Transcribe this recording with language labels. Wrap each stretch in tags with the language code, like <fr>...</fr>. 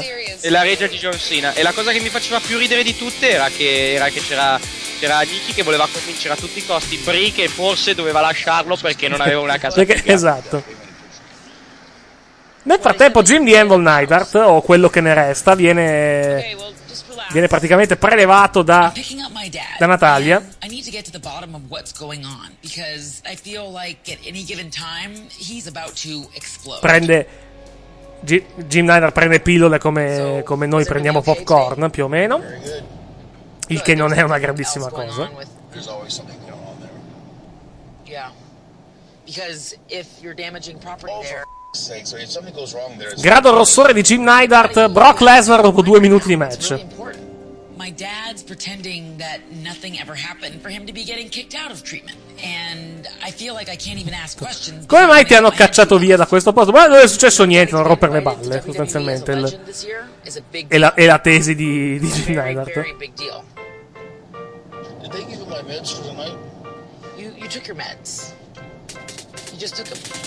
<it>E la cosa che mi faceva più ridere di tutte era che c'era Nikki che voleva convincere a tutti i costi Brie che forse doveva lasciarlo perché non aveva una casa. Perché, esatto. Nel frattempo Jim di Anvil Neidhart, o quello che ne resta, viene praticamente prelevato da Natalia.</it> <en>I need to get to the bottom of what's going on because I feel like at any given time he's about to explode.</en> <it>Jim Niner prende pillole come noi prendiamo popcorn, più o meno. Il che non è una grandissima cosa.</it> <en>Yeah. Because if you're damaging property there.</en> <it>Grado rossore di Jim Neidhart, Brock Lesnar dopo 2 minuti di match.</it> <en>My dad's pretending that nothing ever happened for him to be getting kicked out of treatment. And I feel like I can't even ask questions.</en> <it>Come mai ti hanno cacciato via da questo posto? Ma non è successo niente, non rompere le balle, sostanzialmente. È la tesi di Jim Neidhart.</it> <en>You took your meds. You just took them.</en>